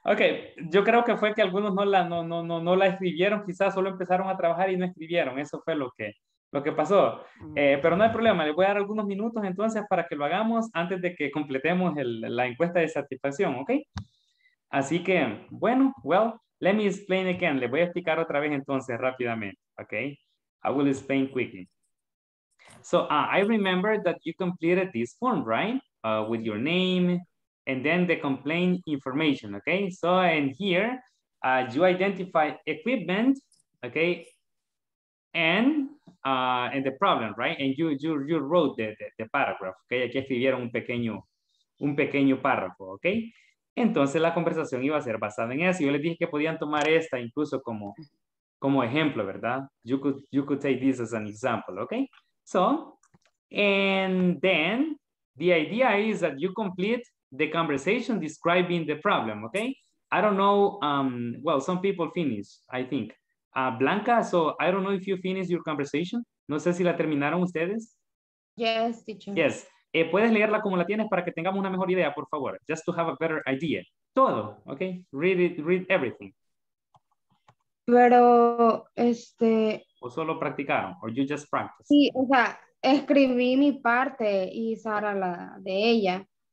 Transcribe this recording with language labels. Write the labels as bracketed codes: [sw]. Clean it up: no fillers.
[es] Okay, yo creo que fue que algunos no la escribieron, quizás solo empezaron a trabajar y no escribieron, eso fue lo que pasó. Mm-hmm. Pero no hay problema, les voy a dar algunos minutos entonces para que lo hagamos antes de que completemos la encuesta de satisfacción, ¿okay? Así que, bueno, [en] well, let me explain again, [es] les voy a explicar otra vez entonces rápidamente, ¿okay? [en] I will explain quickly. So I remember that you completed this form, right? With your name and then the complaint information, okay? So in here, you identify equipment, okay? And the problem, right? And you wrote the paragraph, okay? [es] Aquí escribieron un pequeño párrafo, okay? Entonces la conversación iba a ser basada en eso. Yo les dije que podían tomar esta incluso como ejemplo, ¿verdad? [en] You could take this as an example, okay? So, and then the idea is that you complete the conversation describing the problem, okay? I don't know, well, some people finish, I think. Blanca, so I don't know if you finished your conversation. [es] No sé si la terminaron ustedes. [en] Yes, teacher. Yes. [es] Puedes leerla como la tienes para que tengamos una mejor idea, por favor. [en] Just to have a better idea. Todo, okay? Read everything. [es] Pero, ¿O solo practicaron? ¿O [en] you just practiced? [es] Sí, o sea, escribí mi parte y Sara la de ella.